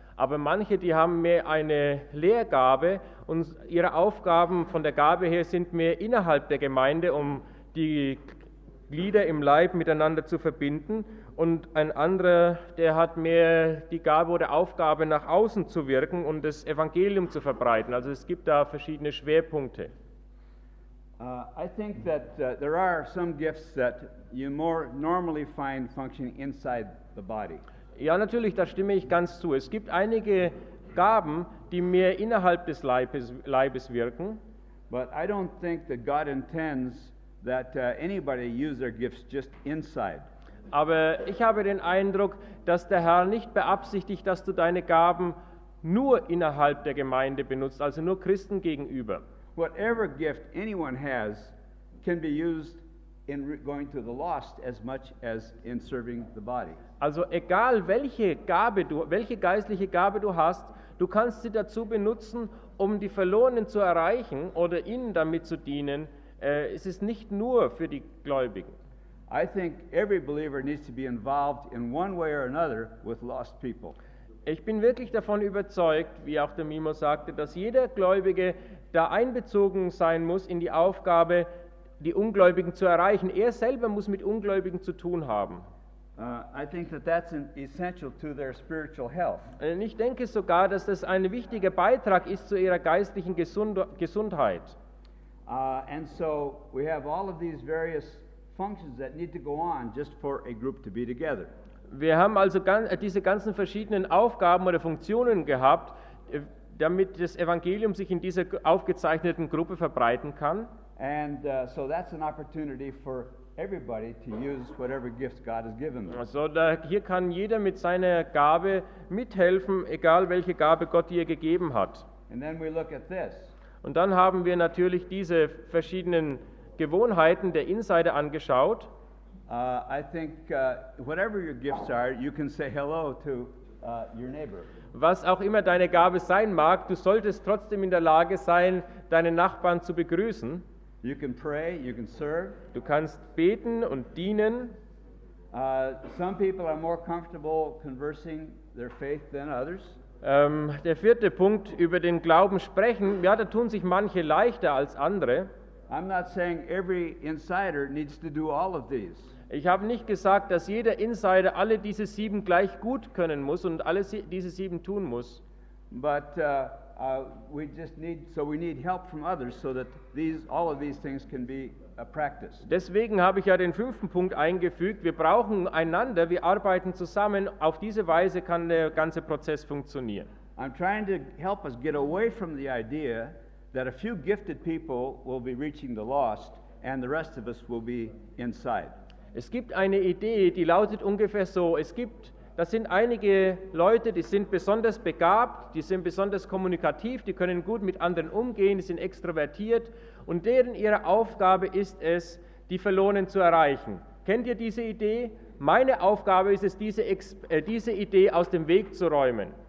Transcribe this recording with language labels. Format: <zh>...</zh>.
<de>Aber manche, die haben mehr eine Lehrgabe und ihre Aufgaben von der Gabe her sind mehr innerhalb der Gemeinde, um die Glieder im Leib miteinander zu verbinden. Und ein anderer, der hat mehr die Gabe oder Aufgabe, nach außen zu wirken und das Evangelium zu verbreiten. Also es gibt da verschiedene Schwerpunkte.</de> <en>I think that there are some gifts that you more normally find functioning inside the body.</en> <de>Ja, natürlich, da stimme ich ganz zu. Es gibt einige Gaben, die mehr innerhalb des Leibes wirken.</de> <en>But I don't think that God intends that anybody use their gifts just inside.</en> <de>Aber ich habe den Eindruck, dass der Herr nicht beabsichtigt, dass du deine Gaben nur innerhalb der Gemeinde benutzt, also nur Christen gegenüber.</de> <en>Whatever gift anyone has can be used in going to the lost as much as in serving the body.</en> <de>Also egal welche geistliche Gabe du hast, du kannst sie dazu benutzen, um die Verlorenen zu erreichen oder ihnen damit zu dienen. Es ist nicht nur für die Gläubigen.</de> <en>I think every believer needs to be involved in one way or another with lost people.</en> <de>Ich bin wirklich davon überzeugt, wie auch der Mimo sagte, dass jeder Gläubige da einbezogen sein muss in die Aufgabe, die Ungläubigen zu erreichen. Er selber muss mit Ungläubigen zu tun haben.</de> <en>I think that that's essential to their spiritual health.</en> <de>Und ich denke sogar, dass das ein wichtiger Beitrag ist zu ihrer geistlichen Gesundheit.</de> <en>And so we have all of these various functions that need to go on just for a group to be together.</en> <de>Wir haben also diese ganzen verschiedenen Aufgaben oder Funktionen gehabt, damit das Evangelium sich in dieser aufgezeichneten Gruppe verbreiten kann.</de> <en>And so that's an opportunity for everybody to use whatever gifts God has given them.</en> <de>Also hier kann jeder mit seiner Gabe mithelfen, egal welche Gabe Gott dir gegeben hat.</de> <en>And then we look at this.</en> <de>Und dann haben wir natürlich diese verschiedenen Gewohnheiten der Insider angeschaut. Was auch immer deine Gabe sein mag, du solltest trotzdem in der Lage sein, deine Nachbarn zu begrüßen.</de> <en>You can pray, you can serve.</en> <de>Du kannst beten und dienen.</de> <en>Some people are more comfortable conversing their faith than others.</en> <de>Der vierte Punkt, über den Glauben sprechen, ja, da tun sich manche leichter als andere.</de> <en>I'm not saying every insider needs to do all of these.</en> <de>Ich habe nicht gesagt, dass jeder Insider alle diese sieben gleich gut können muss und alle diese sieben tun muss.</de> <en>But we just need, so we need help from others, so that these, all of these things can be a practice.</en> <de>Deswegen habe ich ja den fünften Punkt eingefügt. Wir brauchen einander, wir arbeiten zusammen. Auf diese Weise kann der ganze Prozess funktionieren.</de> <en>I'm trying to help us get away from the idea that a few gifted people will be reaching the lost and the rest of us will be inside.</en> <de>Es gibt eine Idee, die lautet ungefähr so, das sind einige Leute, die sind besonders begabt, die sind besonders kommunikativ, die können gut mit anderen umgehen, die sind extrovertiert und deren ihre Aufgabe ist es, die Verlorenen zu erreichen. Kennt ihr diese Idee? Meine Aufgabe ist es, diese Idee aus dem Weg zu räumen.</de>